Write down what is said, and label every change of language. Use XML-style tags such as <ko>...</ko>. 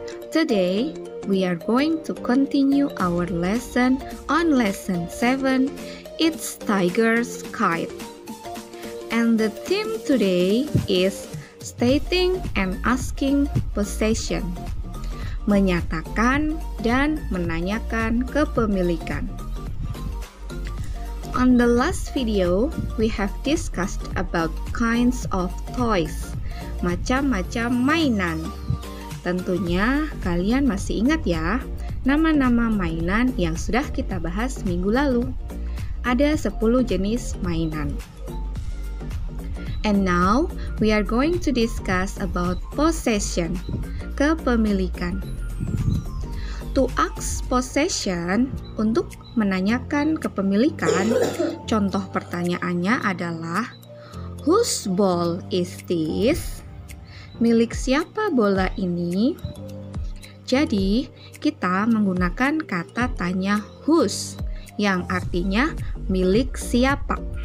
<en>Today, we are going to continue our lesson on lesson 7, It's Tiger's Kite. And the theme today is stating and asking possession.</en> <id>Menyatakan dan menanyakan kepemilikan.</id> <en>On the last video, we have discussed about kinds of toys,</en> <id>macam-macam mainan. Tentunya kalian masih ingat ya, nama-nama mainan yang sudah kita bahas minggu lalu. Ada 10 jenis mainan.</id> <en>And now, we are going to discuss about possession, kepemilikan. To ask possession,</en> <id>untuk menanyakan kepemilikan, contoh pertanyaannya adalah</id> <en>whose ball is this?</en> <id>Milik siapa bola ini? Jadi, kita menggunakan kata tanya whose, yang artinya milik siapa.</id>